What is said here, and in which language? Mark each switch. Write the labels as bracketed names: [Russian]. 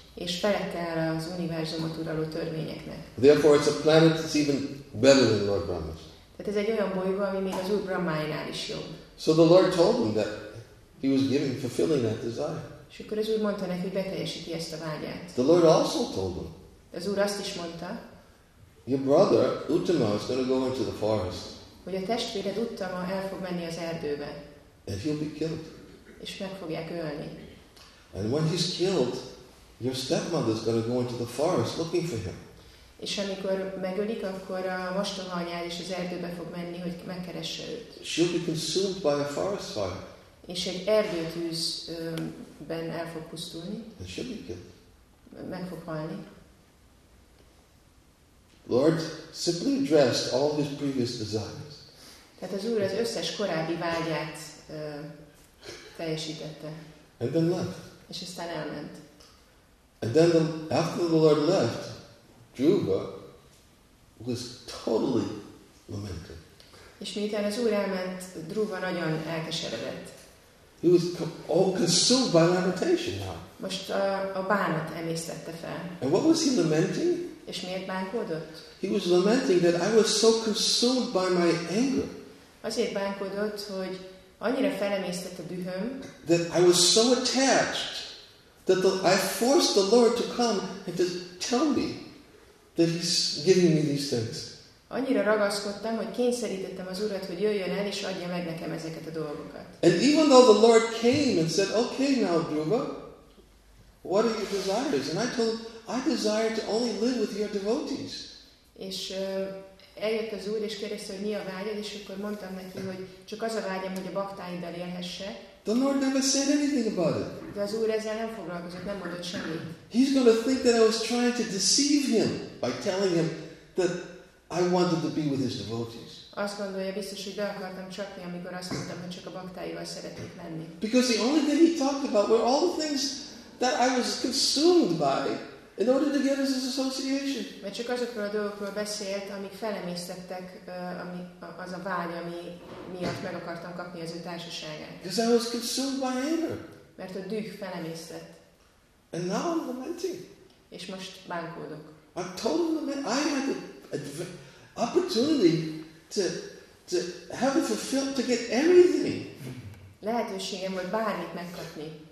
[Hungarian] És felette áll az univerzumot uraló törvényeknek. [English] Therefore it's a planet that's even better than Lord Brahma's. [Hungarian] Tehát ez egy olyan bolygó, ami még az Úr Brahmájánál is jobb. [English] So the Lord told him that he was giving, fulfilling that desire. [Hungarian] És akkor az Úr mondta neki, hogy beteljesíti ezt a vágyát. [English] The Lord also told him. [Hungarian] Az Úr azt is mondta. [English] Your brother, Uttama, is going to go into the forest. [Hungarian] hogy a testvéred Uttama el fog menni az erdőbe. [English] And he'll be killed. [Hungarian] És meg fogják ölni. [English] And when he's killed, your stepmother's going to go into the forest looking for him. [Hungarian] És amikor megölik, akkor a mostohanyád is az erdőbe fog menni, hogy megkeresse őt. [English] She'll be consumed by a forest fire. [Hungarian] És egy erdőtűzben el fog pusztulni. [English] And she'll be killed. [Hungarian] Meg fog halni. [English] Lord simply addressed all his previous desires. [Hungarian] Tehát az Úr az összes korábbi vágyát teljesítette. [English] And then left. [Hungarian] És aztán elment. [English] And then after the Lord left, Dhruva was totally lamented. [Hungarian] És miután az Úr elment, Dhruva nagyon elkeseredett. [English] He was all consumed by lamentation now. [Hungarian] Most a bánat emésztette fel. [English] And what was he lamenting? [Hungarian] És miért bánkódott? [English] He was lamenting that I was so consumed by my anger. [Hungarian] Azért bánkódott, hogy annyira felemésztett a dühöm. [English] That I was so attached that I forced the Lord to come and to tell me that he's giving me these things. [Hungarian] Annyira ragaszkodtam, hogy kényszerítettem az Urat, hogy jöjjön el és adja meg nekem ezeket a dolgokat. [English] And even though the Lord came and said, okay now, Dhruva, what are your desires? And I told, I desire to only live with your devotees. [Hungarian] És eljött az Úr, és kérdezte, hogy mi a vágyad, és akkor mondtam neki, hogy csak az a vágyam, hogy a baktáiddal élhesse. [English] The Lord never said anything about it. [Hungarian] De az Úr ezzel nem foglalkozott, nem mondott semmit. [English] He's going to think that I was trying to deceive him by telling him that I wanted to be with his devotees. [Hungarian] Azt gondolja biztos, hogy be akartam csapni, amikor azt mondtam, hogy csak a baktáival szeretnék lenni. [English] Because the only thing he talked about were all the things that I was consumed by in order to get his association. [Hungarian] Mert csak azokról a dolgokról beszélt, amik felemésztettek, ami az a vágy, ami miatt meg akartam kapni az ő társaságát. [English] Because I was consumed by anger. [Hungarian] Mert a düh felemésztett. [English] And now I'm lamenting. [Hungarian] És most bánkódok. [English] I'm totally lamenting. I had the opportunity to have it fulfilled, to get everything. [Hungarian] Lehetőségem volt bármit megkapni.